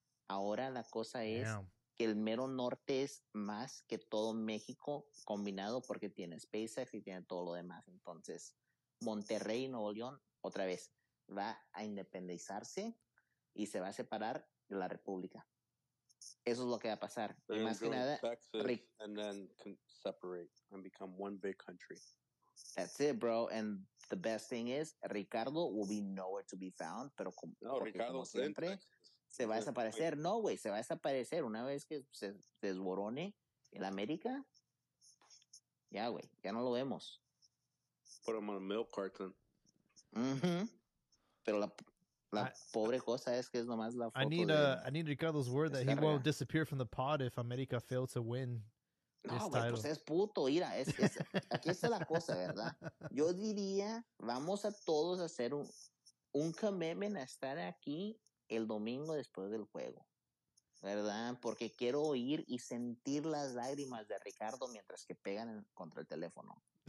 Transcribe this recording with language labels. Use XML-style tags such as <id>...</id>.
<es>Ahora la cosa es que el mero norte es más que todo México combinado porque tiene SpaceX y tiene todo lo demás. Entonces, Monterrey y Nuevo León, otra vez, va a independizarse y se va a separar de la República. Eso es lo que va a pasar.</es> <en>They're</en> <es>más que nada,</es> <en>Texas and then can separate and become one big country. That's it, bro. And the best thing is, Ricardo will be nowhere to be found. Pero</en> <es>no, Ricardo como siempre se va a desaparecer. No, güey, se va a desaparecer una vez que se desborone en América. Ya, güey, ya no lo vemos.</es> <en>Put him on a milk carton.</en> <es>Mm-hmm. Pero la La pobre cosa es que es nomás la foto.</es> <en>I need Ricardo's word that he won't disappear from the pod if América fails to win.</en> <es>No, güey, pues es puto, mira, es aquí está la cosa, ¿verdad? Yo diría, vamos a todos a hacer un commitment a estar aquí el domingo después del juego, ¿verdad? Porque quiero oír y sentir las lágrimas de Ricardo mientras que pegan contra el teléfono.</es>